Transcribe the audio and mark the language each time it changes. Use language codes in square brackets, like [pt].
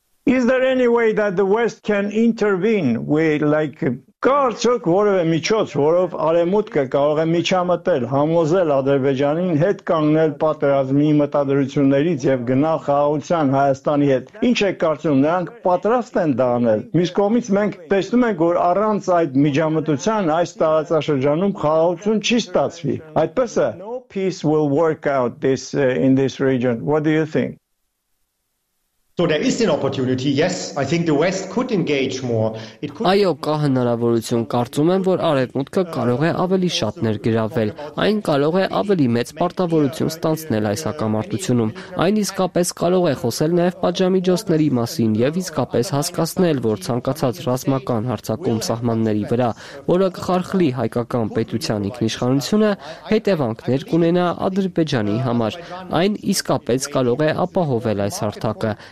[en] Is there any way that the West can intervene with like [hy] կարծոք որևէ միջոց, որով արևմուտքը կարող է միջամտել, համոզել Ադրբեջանին հետ կանգնել պատերազմի մտադրություններից եւ գնալ խաղաղության Հայաստանի հետ։ Ինչ եք կարծում, նրանք պատրաստ են դա անել։ Մյուս կողմից մենք տեսնում ենք, որ առանց այդ միջամտության այս տարածաշրջանում խաղաղություն չի ստացվի։ Այդպես է։ [en] No peace will work out this in this region. What do you think? So there is an opportunity. Yes, I think the West could engage more. It could [hy] Այո, կա հնարավորություն, կարծում եմ, որ Արևմուտքը կարող է ավելի շատ ներգրավել։ Այն կարող է ավելի մեծ պարտավորություն ստանձնել այս հակամարտությունում։ Այն իսկապես կարող է խոսել նաև պատժամիջոցների մասին եւ իսկապես հասկանալ, որ ցանկացած ռազմական հարձակում սահմանների վրա, որը կխարխլի հայկական պետության ինքնիշխանությունը, հետևանքներ կունենա Ադրբեջանի համար։ Այն իսկապես կարող է ապահովել այս հարթակը։